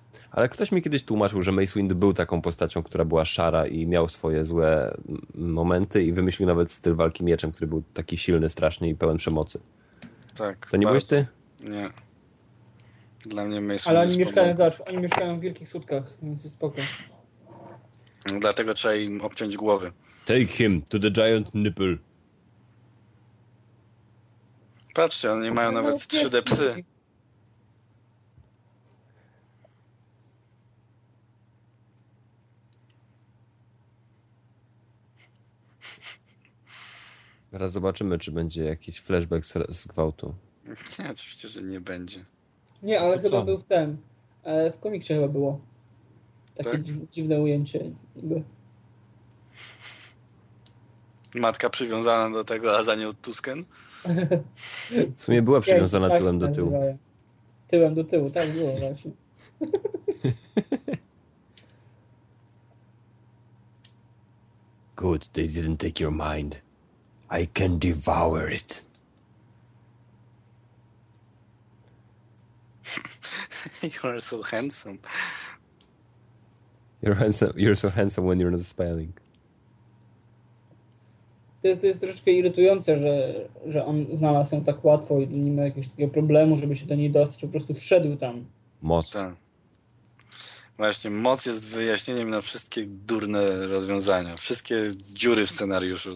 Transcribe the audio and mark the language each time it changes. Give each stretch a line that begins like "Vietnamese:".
Polish: Ale ktoś mi kiedyś tłumaczył, że Mace Windu był taką postacią, która była szara i miał swoje złe momenty i wymyślił nawet styl walki mieczem, który był taki silny, straszny i pełen przemocy. Tak. To nie byłeś ty? Nie. Dla mnie Mace Windu. Ale oni mieszkają w wielkich słodkach, więc jest spoko. Dlatego trzeba im obciąć głowy.
English: Take him to the giant nipple.
Polish: Patrzcie, oni mają nawet 3D psy. Teraz zobaczymy, czy będzie jakiś flashback z gwałtu. Nie, oczywiście, że nie będzie. Nie, ale to chyba co? Był w ten. W komiksie chyba było. Takie tak? Dziwne ujęcie. Jakby. Matka przywiązana do tego, a za nią Tusken? W sumie była przywiązana tyłem do tyłu. Tyłem do tyłu, tak było właśnie.
English: Good, they didn't take your mind. I can devour it. You are so handsome. You're so handsome when you're not smiling.
Polish: To jest troszeczkę irytujące, że on znalazł ją tak łatwo i nie ma jakiegoś takiego problemu, żeby się do niej dostać, po prostu wszedł tam. Moc. Tak. Właśnie, moc jest wyjaśnieniem na wszystkie durne rozwiązania, wszystkie dziury w scenariuszu.